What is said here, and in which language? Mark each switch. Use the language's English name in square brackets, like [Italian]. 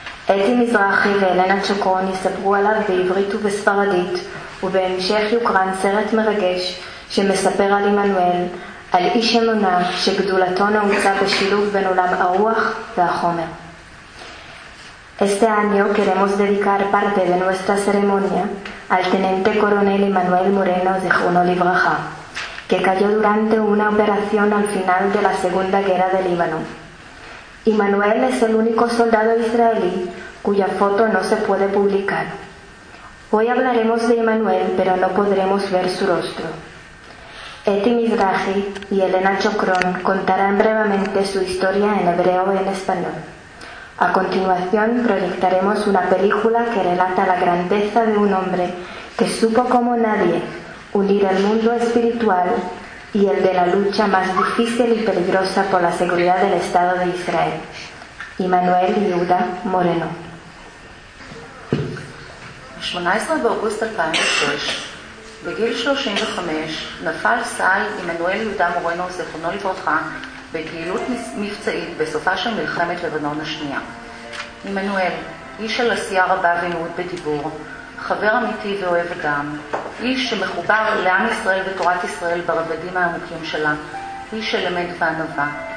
[Hebrew] אתי מזרחי ואלנה צ'קרון יספרו עליו בעברית ובספרדית, ובהמשך יוקרן סרט מרגש שמספר על עמנואל, על איש אמונה שגדולתו נעוצה בשילוב בין עולם הרוח והחומר. [Spanish] Este año queremos dedicar parte de nuestra ceremonia al teniente coronel Emmanuel Moreno de Juno Libraja, que cayó durante una operación al final de la Segunda Guerra del Líbano. Emmanuel es el único soldado israelí cuya foto no se puede publicar. Hoy hablaremos de Emmanuel, pero no podremos ver su rostro. Eti Mizrahi y Elena Chocron contarán brevemente su historia en hebreo y en español. A continuación, proyectaremos una película que relata la grandeza de un hombre que supo como nadie unir el mundo espiritual y el de la lucha más difícil y peligrosa por la seguridad del Estado de Israel. Emmanuel Yehuda Moreno. [Hebrew] 18 באוגוסט 2006, בגיל 35, נפל סא"ל עמנואל יהודה מורנו, זכרונו לברכה, בפעילות מבצעית בסופה של מלחמת לבנון השנייה. עמנואל, איש על עשייה רבה ונאות בדיבור, חבר אמיתי ואוהב אדם, איש שמחובר לעם ישראל ותורת ישראל ברבדים העמוקים שלה, איש של אמת וענווה.